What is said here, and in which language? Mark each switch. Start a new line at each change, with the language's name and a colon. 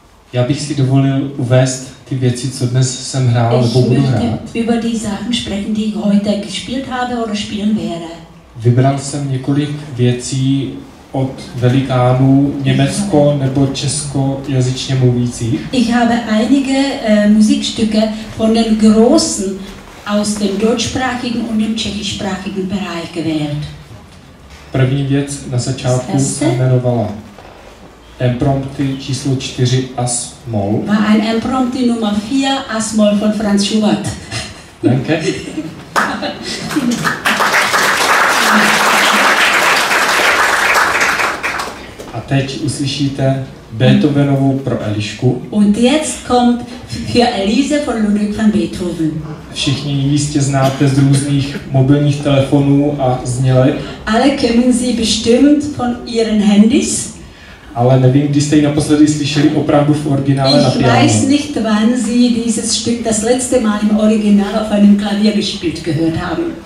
Czech: Já bych si dovolil uvést ty věci, co dnes jsem hrál, nebo budu hrát.
German: Über die Sachen sprechen, die ich heute gespielt habe oder spielen werde.
Czech: Vybral jsem několik věcí od velikánů Německo nebo Česko jazyčně mluvících.
German: Ich habe einige Musikstücke von den Großen aus dem deutschsprachigen und dem tschechischsprachigen Bereich gewählt.
Czech: První věc na začátku se jmenovala Emprompty číslo 4 as moll.
German: War ein Emprompty Nummer 4 as moll von Franz Schubert. Danke.
Czech: A teď uslyšíte Beethovenovou pro Elišku.
German: Und jetzt kommt für Elise von Ludwig van Beethoven.
Czech: Všichni jistě znáte z různých mobilních telefonů a znělek.
German: Alle kennen sie bestimmt von ihren Handys.
Czech: Ale nevím, kdy jste ji naposledy slyšeli opravdu v originále
German: ich
Czech: na pianu.
German: Ich weiß nicht, wann Sie dieses Stück das letzte Mal im Original auf einem Klavier gespielt gehört haben.